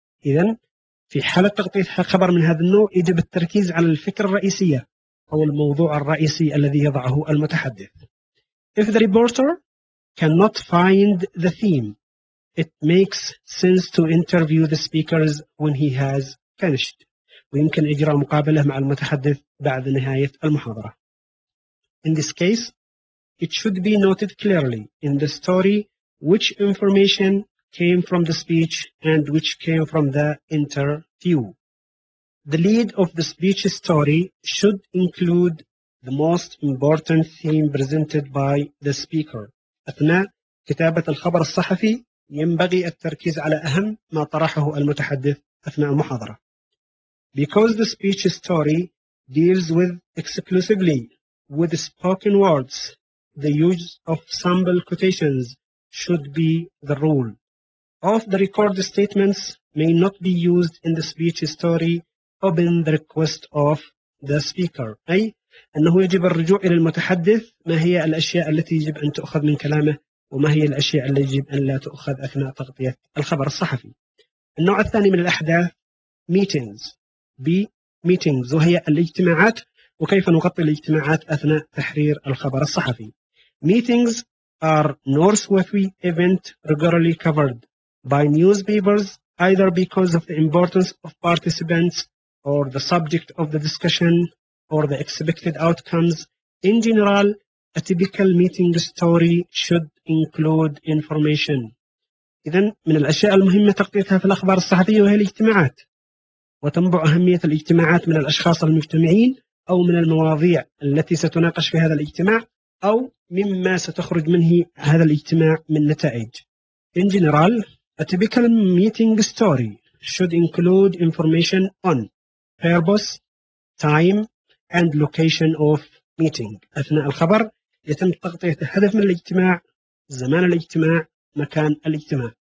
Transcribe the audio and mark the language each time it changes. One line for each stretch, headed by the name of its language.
Arabic: إذن في حالة تغطية خبر من هذا النوع، يجب التركيز على الفكرة الرئيسية أو الموضوع الرئيسي الذي يضعه المتحدث.
English: If the reporter cannot find the theme it makes sense to interview the speakers when he has finished.
Arabic: ويمكن إجراء مقابلة مع المتحدث بعد نهاية المحاضرة.
English: In this case, it should be noted clearly in the story which information came from the speech and which came from the interview. The lead of the speech story should include the most important theme presented by the speaker.
Arabic: أثناء كتابة الخبر الصحفي ينبغي التركيز على أهم ما طرحه المتحدث أثناء المحاضرة.
English: Because the speech story deals with exclusively with spoken words, the use of sample quotations should be the rule. Off the record statements may not be used in the speech story upon the request of the speaker.
Arabic: أي أنه يجب الرجوع إلى المتحدث ما هي الأشياء التي يجب أن تؤخذ من كلامه وما هي الأشياء التي يجب أن لا تؤخذ أثناء تغطية الخبر الصحفي. النوع الثاني من الأحداث meetings. Meetings وهي الاجتماعات وكيف نغطي الاجتماعات أثناء تحرير الخبر الصحفي.
English: Meetings are newsworthy events regularly covered by newspapers either because of the importance of participants or the subject of the discussion or the expected outcomes. In general, a typical meeting story should include information.
Arabic: إذن من الأشياء المهمة تغطيتها في الأخبار الصحفية وهي الاجتماعات. وتنبع أهمية الاجتماعات من الأشخاص المجتمعين أو من المواضيع التي ستناقش في هذا الاجتماع أو مما ستخرج منه هذا الاجتماع من نتائج.
English: In general, a typical meeting story should include information on purpose, time, and location of meeting.
Arabic: أثناء الخبر يتم تغطية الهدف من الاجتماع, زمان الاجتماع, مكان الاجتماع.